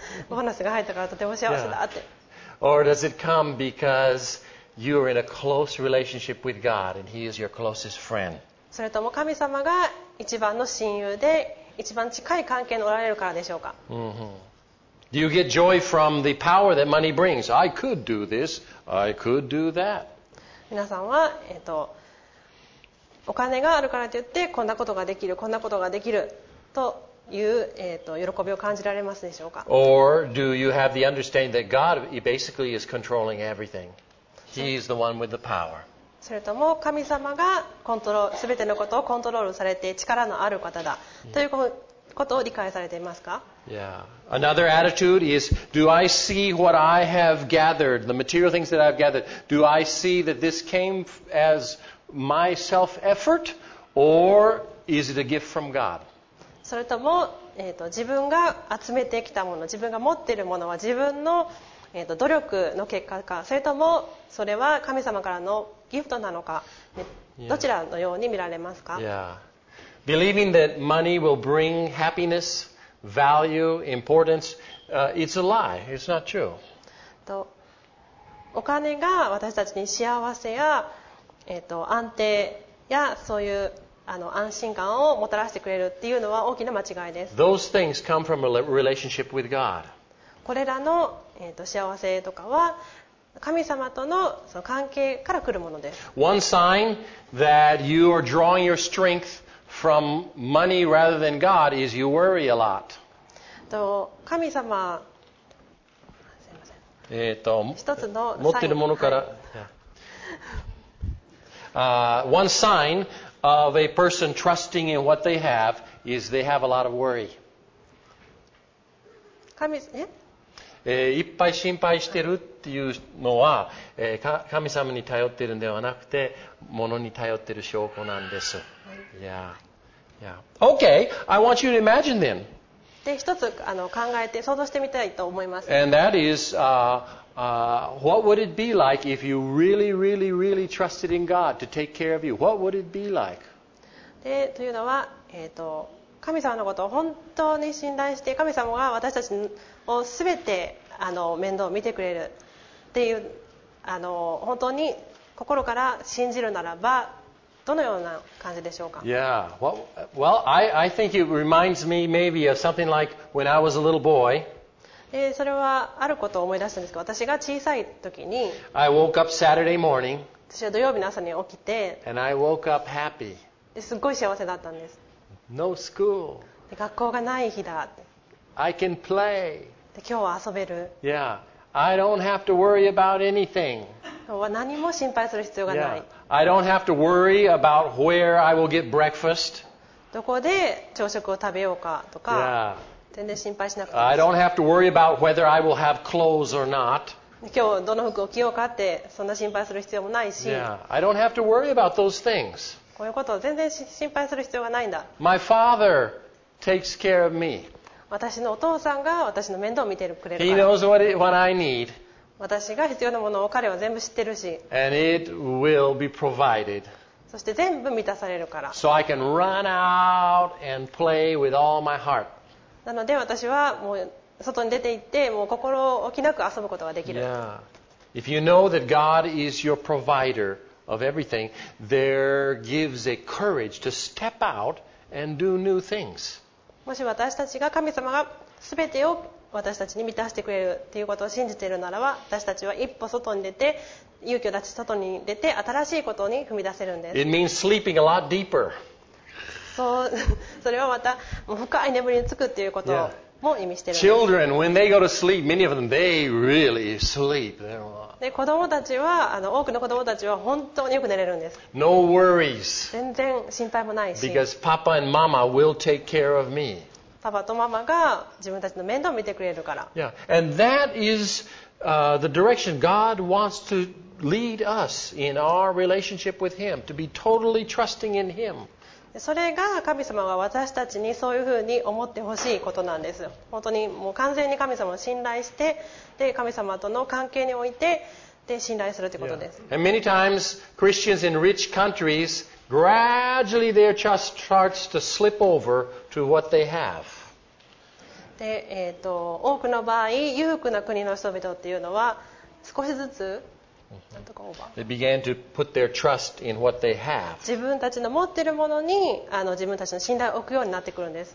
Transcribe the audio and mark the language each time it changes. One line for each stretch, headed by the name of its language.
Japanese: ボーナスが入ったからとても幸せだって。
English: Yeah. Or does it come because you are in a close relationship with God and He is your closest friend?
Japanese: それとも神様が一番の親友で一番近い関係におられるからでしょうか？
English: Do you get joy from the power that money brings? I could do this, I could do that.
Japanese: 皆さんは、お金があるからといってこんなことができる、こんなことができるという、喜びを感じられますでしょうか？
English: Or do you have the understanding that God basically is controlling everything? He is the one with the power.
Japanese: それとも神様がコントロール全てのことをコントロールされて力のある方だということを理解されていますか？
English: Yeah. Another attitude is, do I see what I have gathered, the material things that I've gathered, do I see that this came as my self-effort, or is it a gift from God?
Japanese: それとも、自分が集めてきたもの、自分が持っているものは自分の努力の結果か、それともそれは神様からのギフトなのか、どちらのように見られますか？
English: Yeah. Believing that money will bring happiness, value, importance, it's a lie. It's not true.
Japanese: お金が私たちに幸せや、安定やそういう安心感をもたらしてくれるっていうのは大きな間違いです。
English: Those things come from a relationship with God.
Japanese: これらの、幸せとかは神様と その関係から来るものです。
English: One sign that you are drawing your strength from money rather than God is you worry a lot.
Japanese: 神様、すみません。一つのサイン持ってるものから。
English: one sign of a person trusting in what they have is they have a lot of worry.
Japanese: いっぱい心配してるっていうのは、神様に頼ってるんではなくて、物に頼ってる証拠なんです。
English: Yeah. Yeah. Okay, I want you to imagine then.
Japanese: で、一つ考えて想像してみたいと思います。
English: And that is, what would it be like if you really, really, really trusted in God to take care of you? What would it be like?
Japanese: で、というのは、神様のことを本当に信頼して、神様が私たちをすべて面倒を見てくれるっていう本当に心から信じるならば、どのような感じでしょうか。
English: Yeah. Well, I think it reminds me maybe of something like when I was a little boy.
Japanese: で、それはあることを思い出したんですけど、私が小さい時に、
English: I woke up Saturday morning.
Japanese: 私は土曜日の朝に起きて、
English: and I woke up happy.
Japanese: で、すごい幸せだったんです。
English: No school.
Japanese: 学校がない日だ。
English: I can play.
Japanese: で、今日は遊べる。
English: Yeah. I don't have to worry about anything.
Japanese: 何も心配する必要がない。
English: Yeah. I don't have to worry about where I will get breakfast.
Japanese: どこで朝食を食べようかとか、
English: yeah.
Japanese: 全然心配しなくてい
English: い。I don't have to worry about whether I will have clothes or not.
Japanese: 今日どの服を着ようかってそんな心配する必要もないし。
English: Yeah. I don't have to worry about those things.
Japanese: こういうことを全然心配する必要がないんだ。
English: My father takes care of me.
Japanese: 私のお父さんが私の面倒を見てくれるから。
English: He knows what I need.
Japanese: 私が必要なものを彼は全部知ってるし。
English: And it will be provided.
Japanese: そして全部満たされるから。
English: So I can run out and play with all my heart.
Japanese: なので私はもう外に出て行ってもう心置きなく遊ぶことができる。
English: Yeah. If you know that God is your provider. Of everything, there gives a courage to step out and do new things.
Japanese: もし私たちが神様がすべてを私たちに満たしてくれるということを信じているならば、私たちは一歩外に出て、勇気を出して外に出て、新しいことに踏み出せるんです。
English: It means sleeping a lot deeper.
Japanese: そう、それはまた深い眠りにつくということも意味しているんです。
English: Children, when they go to sleep, many of them, they really sleep. They're not.
Japanese: で、子供たちは、多くの子供たちは本当によく寝れるんです。
English: No worries.
Japanese: 全然心配もないし。
English: Because Papa and Mama will take care of me.
Japanese: パパとママが自分たちの面倒を見てくれるから。
English: Yeah. And that is, the direction God wants to lead us in our relationship with Him, to be totally trusting in Him.
Japanese: それが神様が私たちにそういうふうに思ってほしいことなんです。本当にもう完全に神様を信頼して、で、神様との関係において、で、信頼するということです。
English: Yeah. And many times, Christians in rich countries, gradually their trust starts to slip over to what they have.
Japanese: で、多くの場合、裕福な国の人々っていうのは、少しずつ、
English: They began to put their trust in what they have.
Japanese: 自分たちの持っているものに自分たちの信頼を置くようになってくるんです。